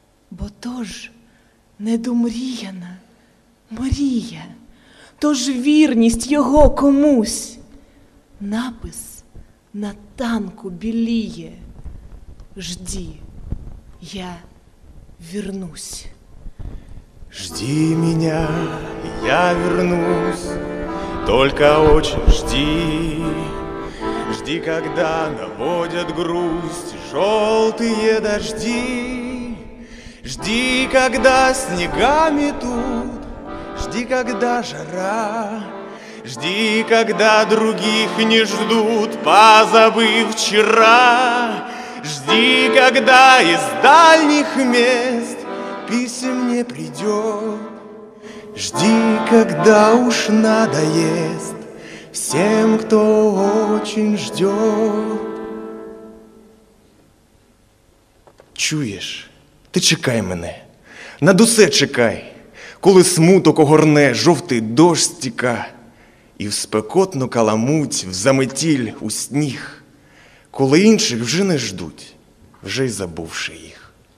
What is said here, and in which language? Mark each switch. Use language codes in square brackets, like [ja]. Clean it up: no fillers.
[uk] Бо то ж недомріяна мрія, то ж вірність його комусь. Напис на танку біліє: [ru] «Жди, я вернусь». Жди меня, я вернусь, только очень жди. Жди, когда наводят грусть желтые дожди. Жди, когда снега метут, жди, когда жара. Жди, когда других не ждут, позабыв вчера. Жди, когда из дальних мест писем не придет. Жди, когда уж надоест всем, кто очень ждет. [uk] Чуешь? Ти чекай мене, над усе чекай, коли смуток огорне, жовтий дощ стіка, і в спекотну каламуть, в заметіль, у сніг, коли інших вже не ждуть, вже й забувши їх.